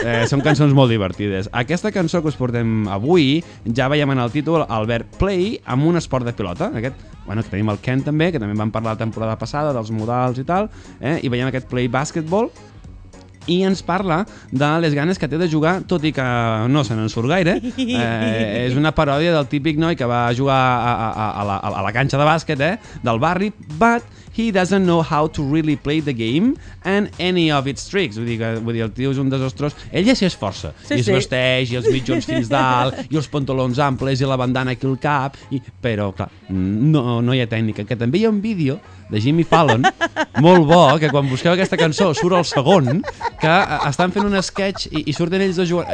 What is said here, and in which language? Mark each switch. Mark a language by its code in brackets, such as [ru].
[ca] Són cançons molt divertides. Aquesta cançó que us portem avui, ja veiem en el títol el verb play amb un esport de pilota, aquest, bueno, que tenim el Ken també, que també vam parlar la temporada passada dels modals i tal, eh? I veiem aquest play basketball i ens parla de les ganes que té de jugar, tot i que no se n'en surt gaire. És una paròdia del típic noi que va jugar a la canxa de bàsquet, eh? Del barri, [en] but he doesn't know how to really play the game and any of its tricks. [ca] Vull dir, el tio és un desastrós. Ell ja s'hi esforça. Sí, i es vesteix, i els mitjons fins dalt, i els pantalons amples, i la bandana aquí al cap. I... Però, clar, no hi ha tècnica. Que també hi ha un vídeo de Jimmy Fallon, molt bo, que quan busqueu aquesta cançó surt el segon, que estan fent un sketch i surten ells dos jugant.